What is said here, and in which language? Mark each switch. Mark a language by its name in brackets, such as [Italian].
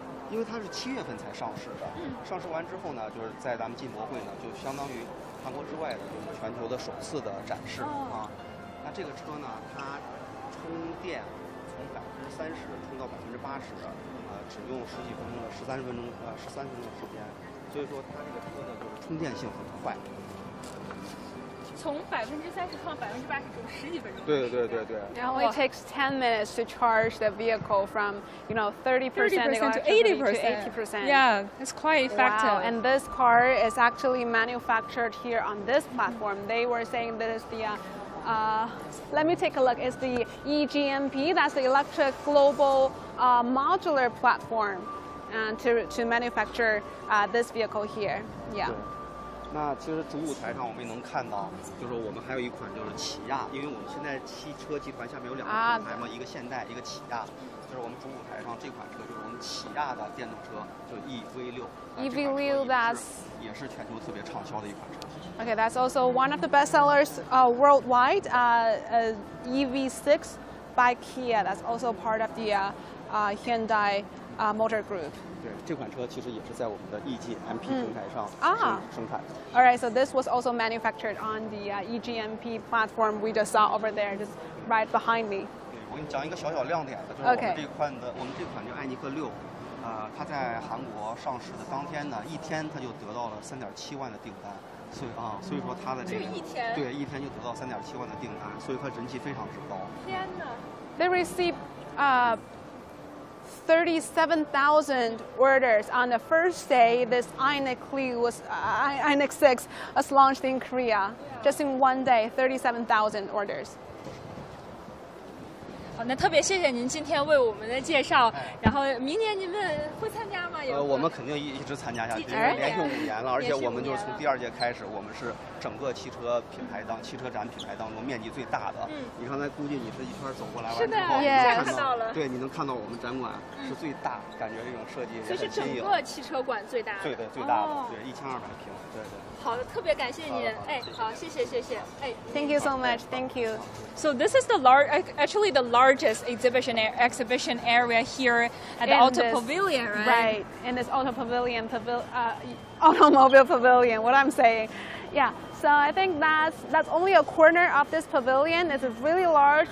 [Chinese] 因为它是7月份才上市的，上市完之后呢，就是在咱们进博会呢，就相当于韩国之外的就是全球的首次的展示那这个车呢，它充电从30%充到80%，只用十几分钟的十三分钟时间，所以说它这个车呢就是充电性很快，从30%到80%只有10几分钟。对对对对。 [English] Now it takes 10 minutes to charge the vehicle from, you know, 30% to 80%. Yeah, it's quite effective. Wow. And this car is actually manufactured here on this platform. They were saying this is the, let me take a look. It's the EGMP. That's the electric global modular platform, and to manufacture this vehicle here. Yeah. [Chinese] 那其实主舞台上我们也能看到，就是说我们还有一款就是起亚，因为我们现在汽车集团下面有两个品牌嘛，一个现代，一个起亚，就是我们主舞台上这款车就是我们起亚的电动车，就 EV6 [English] that's [Chinese] 也是全球特别畅销的一款车。 [English] Okay, that's also one of the best sellers worldwide. EV6 by Kia, that's also part of the Hyundai Motor Group. [Chinese] 对，这款车其实也是在我们的 EGMP 平台上生产的。 [English] All right, so this was also manufactured on the EGMP platform we just saw over there, just right behind me. [Chinese] 对，我给你讲一个小小亮点的，就是我们这款的、 [English] okay. [Chinese] 我们这款就艾尼克六，它在韩国上市的当天呢，一天它就得到了3.7万的订单，所以说它的这个就一天，对，一天就得到3.7万的订单，所以它人气非常之高。天哪 [English] ！They receive 37,000 orders on the first day this INIQ6 was launched in Korea. Yeah. Just in one day, 37,000 orders. [Chinese] 好，那特别谢谢您今天为我们的介绍。然后明年你们会参加吗？我们肯定一直参加下去，连续5年了，而且我们就是从第二届开始，我们是整个汽车展品牌当中面积最大的。嗯，你刚才估计你是一圈走过来完之后，是的，你看到了，对，你能看到我们展馆是最大，感觉这种设计也很新颖。这是整个汽车馆最大的，对的，最大的，哦、对，1200平，对对。好的，特别感谢您，哎，好，谢谢，哎 [English] ，Thank you so much, thank you. So this is the largest exhibition area here at the Auto Pavilion, right? Right, in this Auto Pavilion, Automobile Pavilion, what I'm saying, yeah. So I think that's only a corner of this pavilion. It's really large.